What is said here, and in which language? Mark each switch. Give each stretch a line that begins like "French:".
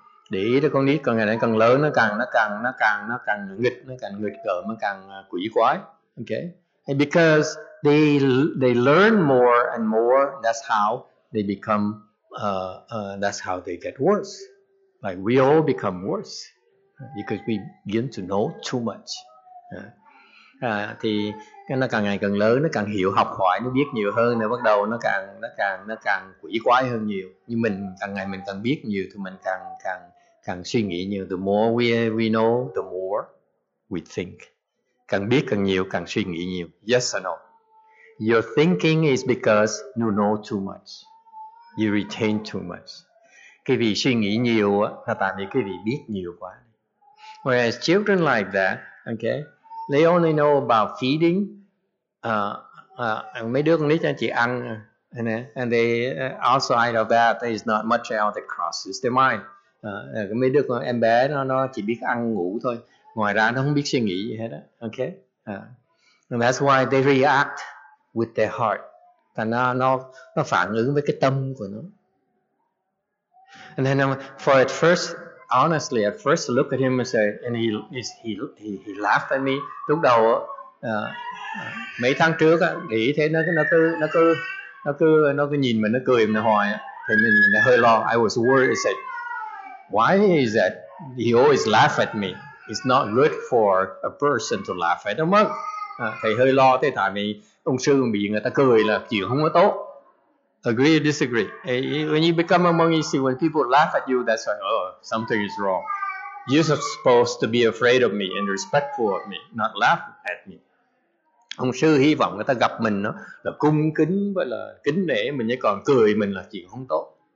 Vietnamese: Để ý con nít càng ngày nó càng lớn, nó càng nghịch, nó càng nghịch cợm, nó càng quỷ quái.
English: Okay? And because they learn more and more, that's how they become that's how they get worse. Like we all become worse because we begin to know too much.
Vietnamese: Thì nó càng ngày càng lớn, nó càng hiểu học hỏi, nó biết nhiều hơn, nó bắt đầu nó càng quỷ quái hơn nhiều. Nhưng mình càng ngày mình càng biết nhiều thì mình càng suy nghĩ nhiều.
English: The more we know, the more we think.
Vietnamese: Càng biết càng nhiều, càng suy nghĩ nhiều.
English: Yes or no? Your thinking is because you know too much. You retain too much.
Vietnamese: Cái vì suy nghĩ nhiều là tại vì cái vì biết nhiều quá.
English: Whereas children like that, okay, they only know about feeding.
Vietnamese: Mấy đứa con nít anh chị ăn,
English: and they outside of that, there is not much else that crosses their mind.
Vietnamese: Mấy đứa con em bé nó chỉ biết ăn ngủ thôi. Ngoài ra nó không biết suy nghĩ gì hết.
English: Okay, and that's why they react with their heart.
Vietnamese: Thành ra nó phản ứng với cái tâm của nó.
English: And then for at first, honestly, at first I look at him and say, and he laughed at me.
Vietnamese: Lúc đầu mấy tháng trước nghĩ thế nó cứ nhìn mình nó cười mình hoài, thì mình hơi lo.
English: I was worried. I said, why is that? He always laugh at me. It's not good for a person to laugh at a monk.
Vietnamese: Thầy hơi lo, thế tại vì ông sư bị người ta cười là chuyện không có tốt.
English: Agree or disagree? When you become a monk, you see when people laugh at you, that's like, oh, something is wrong. You're supposed to be afraid of me and respectful of me, not laugh at me.
Vietnamese: Ông sư hy vọng người ta gặp mình đó, là cung kính và là kính nể mình, chứ còn cười mình là chuyện không tốt.